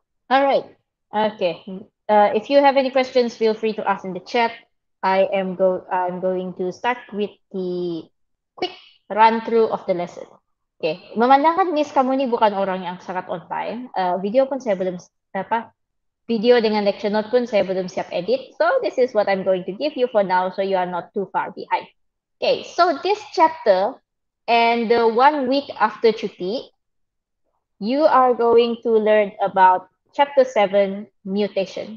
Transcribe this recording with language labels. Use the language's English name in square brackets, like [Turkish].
[English] All right. Okay. If you have any questions, feel free to ask in the chat. I'm going to start with the quick run through of the lesson. Okay. [Malay] Memandangkan Miss kamu ini bukan orang yang sangat on time. Video pun saya belum apa? Video dengan lecture note pun saya belum siap edit. [English] So this is what I'm going to give you for now, so you are not too far behind. Okay. So this chapter and the 1 week after cuti, you are going to learn about Chapter 7, Mutation.